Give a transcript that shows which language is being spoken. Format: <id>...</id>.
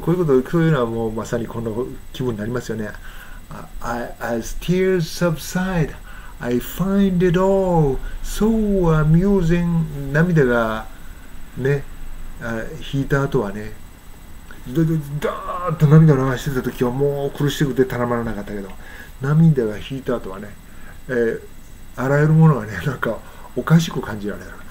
<ja>こういうこと、そういうのはもうまさにこの気分になりますよね。</ja> <en>As tears subside, I find it all so amusing.</en> <ja>涙がね、引いた後はね、ダーッと涙を流してた時はもう苦しくてたまらなかったけど、涙が引いた後はね、あらゆるものがね、なんかおかしく感じられる。</ja>